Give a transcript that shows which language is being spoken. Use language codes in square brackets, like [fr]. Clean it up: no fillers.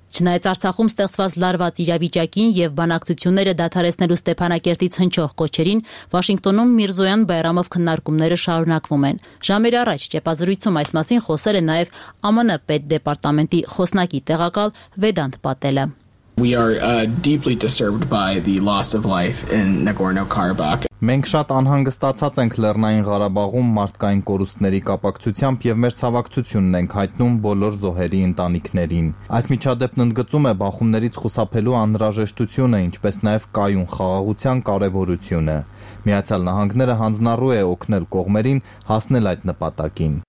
[hy] Չնայած Արցախում ստեղծված լարված իրավիճակին և բանակցությունները դադարեցնելու Ստեփանակերտից հնչող կոչերին, Վաշինգտոնում Միրզոյան Բայրամով քննարկումները շարունակվում են։ Ժամեր առաջ ճեպազրույցում այս մասին խոսել է նաև ԱՄՆ պետ դեպարտամենտի խոսնակի տեղակալ Վեդանտ Պատելը։ [en] We are deeply disturbed by the loss of life in Nagorno-Karabakh. [hy] Մենք շատ անհանգստացած ենք Լեռնային Ղարաբաղում մարդկային կորուստների կապակցությամբ եւ մեր ցավակցությունն ենք հայտնում բոլոր զոհերի ընտանիքներին։ Այս միջադեպն ընդգծում է Բախումներից խուսափելու անհրաժեշտությունը, ինչպես նաեւ կայուն խաղաղության կարևորությունը։ Միացյալ Նահանգները հանձնարարու է օգնել կողմերին հասնել այդ նպատակին։